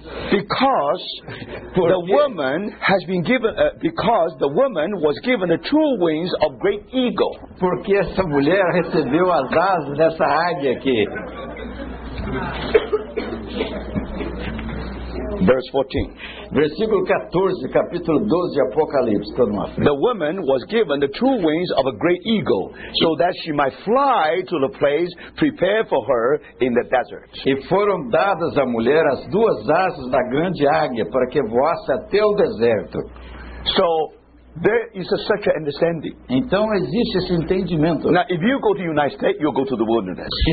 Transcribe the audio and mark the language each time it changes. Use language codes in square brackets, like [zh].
[en] Because the woman has been given because the woman was given the two wings of great eagle. [pt] Porque essa mulher recebeu as asas dessa águia aqui. [en] Verse 14. [pt] Versículo 14, capítulo 12 de Apocalipse, todo mundo. [en] The woman was given the two wings of a great eagle, so that she might fly to the place prepared for her in the desert. [pt] E foram dadas à mulher as duas asas da grande águia para que voasse até o deserto. [en] So there is such an understanding. [pt] Então existe esse entendimento. [en] Now, if you go to the United States, you'll go to the wilderness.